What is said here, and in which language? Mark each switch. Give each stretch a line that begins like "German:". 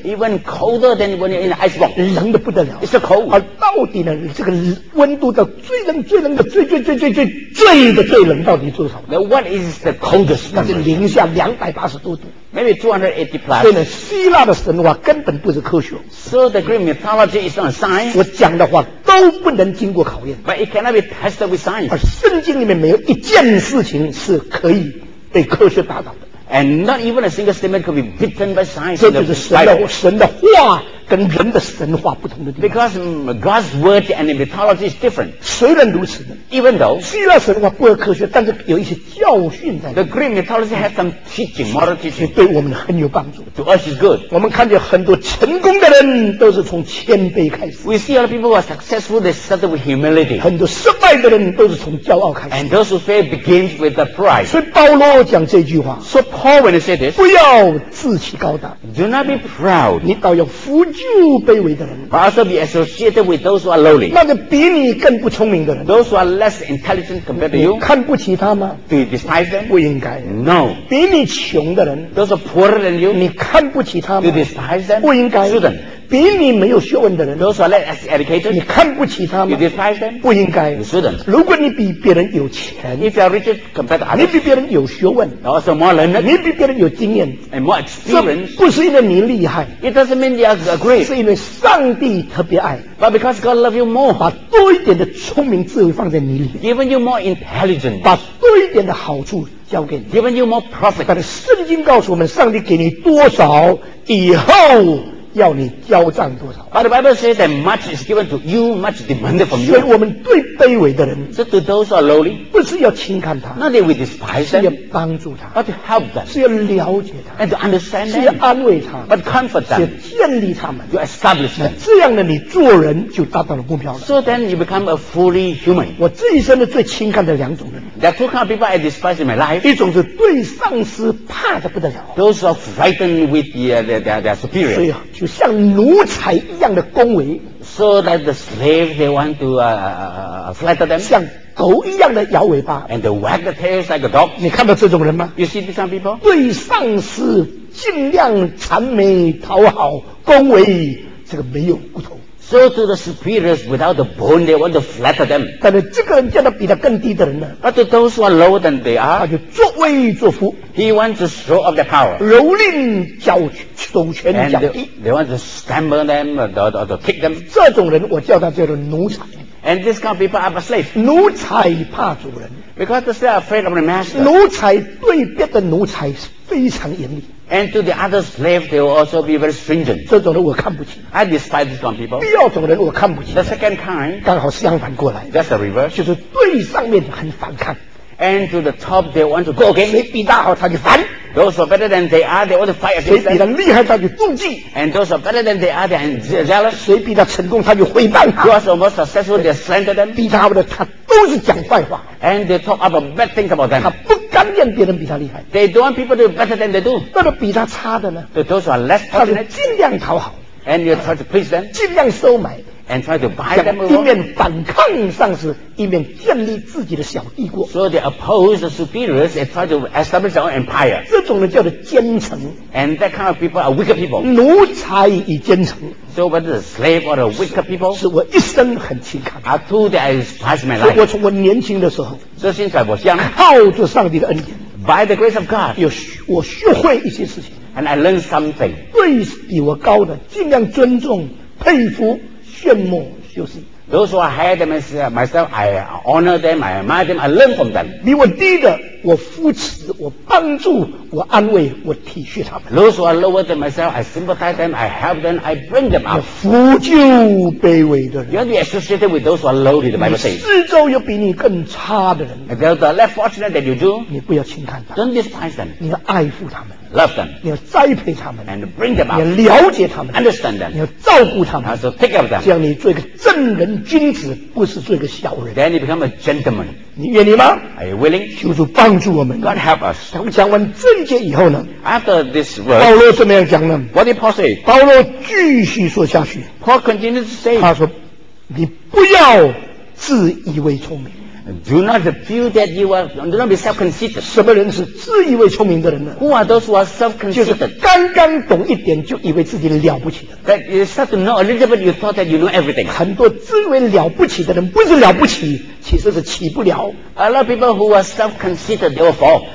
English: even colder than when you're in the ice box
Chinese: 冷得不得了
English: it's so cold
Chinese: 而到底呢这个温度的最冷最冷的最最最最最最的最冷到底多少
English: now what is the coldest
Chinese: 那是零下280多度
English: maybe 280 plus
Chinese: 所以呢希腊的神话根本不是科学
English: so the Greek mythology is not a science
Chinese: 我讲的话都不能经过考验
English: but it cannot be tested with science
Chinese: 而圣经里面没有一件事情是可以被科学打倒的
English: and not even a single statement could be beaten by science
Chinese: 这就是神的话跟人的神话不同的地方
English: because God's word and mythology is different
Chinese: 虽然如此
English: even though
Chinese: 希腊神话不是科学但是有一些教训在
English: the Greek mythology has some teaching moral teaching
Chinese: 对我们很有帮助
English: to us is good
Chinese: 我们看见很多成功的人都是从谦卑开始
English: we see a lot of people who are successful they started with humility
Chinese: 很多失败的人都是从骄傲开始
English: and those who fail begins with the pride
Chinese: 所以保罗讲这句话
English: so Paul when he said this
Chinese: 不要自欺高大
English: do not be proud
Chinese: 你倒要扶就卑微的人
English: also be associated with those who are lowly.
Chinese: 那个比你更不聪明的人
English: those who are less intelligent compared to you.
Chinese: 看不起他吗
English: do you despise them?
Chinese: 不应该
English: no.
Chinese: 比你穷的人
English: those are poorer than you.
Chinese: 你看不起他吗
English: do you despise them?
Chinese: 不应该
English: shouldn't.
Chinese: 比你没有学问的人
English: those who are less educated,
Chinese: 你看不起他吗
English: you despise them?
Chinese: 不应该
English: you shouldn't.
Chinese: 如果你比别人有钱
English: if you are richer compared to others,
Chinese: 你比别人有学问
English: also more learned,
Chinese: 你比别人有经验
English: and more experience,
Chinese: 不是因为你厉害
English: it doesn't mean you are great,
Chinese: 是因为上帝特别爱
English: but because God loves you more,
Chinese: 把多一点的聪明智慧放在你里面
English: giving you more intelligence,
Chinese: 把多一点的好处交给你
English: giving you more profit.
Chinese: 但是圣经告诉我们上帝给你多少以后要你交账多少
English: But the Bible says that much is given to you, much demanded from you.
Chinese: 所以我们最卑微的人
English: So to those who are lowly,
Chinese: 不是要轻看他
English: Not that we despise them,
Chinese: 是要帮助他
English: But to help them,
Chinese: 是要了解他
English: And to understand them,
Chinese: 是要安慰他
English: But comfort them,
Chinese: 是要建立他们
English: To establish them.
Chinese: 这样的你做人就达到了目标了
English: So then you become a fully human.
Chinese: 我这一生的最轻看的两种人
English: There are two kinds of people I despise in my life.
Chinese: 一种是对上司怕得不得了
English: Those who are frightened with their superior.
Chinese: 所以就像奴才一样的恭维
English: so that the slaves they want to flatter them
Chinese: 像狗一样的摇尾巴
English: and they wag the tails like a dog
Chinese: 你看到这种人吗
English: you see these people
Chinese: 对上司尽量谄媚讨好恭维这个没有骨头
English: so to the superiors without the bone they want to flatter them
Chinese: 但是这个人叫他比他更低的人呢
English: but to those who are lower than they are
Chinese: 他就作威作福
English: he wants to show off their power
Chinese: 蹂躏脚手拳脚踢
English: they want to stammer them or to kick them
Chinese: 这种人我叫他叫做奴才
English: and this kind of people are slaves
Chinese: 奴才怕主人
English: because they are afraid of the master
Chinese: 奴才对别的奴才非常严厉
English: and to the other slaves they will also be very stringent
Chinese: 这种人我看不起
English: I despise this kind of people
Chinese: 第二种人我看不起
English: the second kind
Chinese: 刚好相反过来
English: that's the reverse
Chinese: 就是对上面很反抗
English: and to the top they want to go against
Chinese: 谁比大好他就烦
English: Those who are better than they are, they want to fight against them.
Chinese: 谁比他厉害，他就妒忌。
English: And those who are better than they are, they are jealous.
Chinese: 谁比他成功，他就毁谤他。
English: Those who are more successful, they slander them.
Chinese: 比他好的，他都是讲坏话。
English: And they talk about bad things about them.
Chinese: 他不甘愿别人比他厉害。
English: They don't want people to be better than they do.
Chinese: 那么比他差的呢？
English: But those who are less fortunate,
Chinese: 他就尽量讨好。
English: And you try to please them.
Chinese: 尽量收买。
English: And try to buy them over.
Chinese: 一面反抗上司，一面建立自己的小帝国。
English: So they oppose the superiors and try to establish their own empire.
Chinese: 这种人叫做奸臣。
English: And that kind of people are wicked people.
Chinese: 奴才与奸臣。
English: So whether a slave or a wicked people,
Chinese: 是我一生很轻看。
English: Are two that I despise my life.
Chinese: 我从我年轻的时候
English: ，So since I was young,
Chinese: 靠着上帝的恩典
English: ，By the grace of God,
Chinese: 我学会一些事情。
English: And I learned something.
Chinese: 对比我高的，尽量尊重、佩服。羡慕就是
English: Those who are higher than myself, I honor them, I admire them, I learn from them.
Chinese: 比我低的，我扶持，我帮助，我安慰，我体恤他们。
English: Those who are lower than myself, I sympathize them, I help them, I bring them up.
Chinese: 扶救卑微的人。
English: You are associated with those who are lowly, the Bible says.
Chinese: 你四周有比你更差的人。
English: And there are less fortunate than you do.
Chinese: 你不要轻看他。
English: Don't despise them.
Chinese: 你要爱护他们。
English: Love them.
Chinese: 你要栽培他们。
English: And bring them up.
Chinese: 你要了解他们。
English: Understand them.
Chinese: 你要照顾他们。
English: And so take care of them.
Chinese: 这样你做一个正人君子，不是做一个小人。
English: Then you become a gentleman.
Chinese: 你愿意吗？
English: Are you willing?
Chinese: 求主帮助我们。
English: God help us.
Chinese: 当讲完这一节以后呢？
English: After this word.
Chinese: 保罗怎么样讲呢？
English: What did Paul say?
Chinese: 保罗继续说下去。
English: Paul continues to say.
Chinese: 他说，你不要自以为聪明。
English: Do not feel that you are. Do not be self-conceited.
Chinese: 什么人是自以为聪明的人呢？
English: Who are those who are self-conceited?
Chinese: 就是刚刚懂一点就以为自己了不起的。
English: That you start to know a little bit, you thought that you know everything.
Chinese: 很多自以为了不起的人，不是了不起，其实是起不了。
English: A lot of people who are self-conceited, they will fall.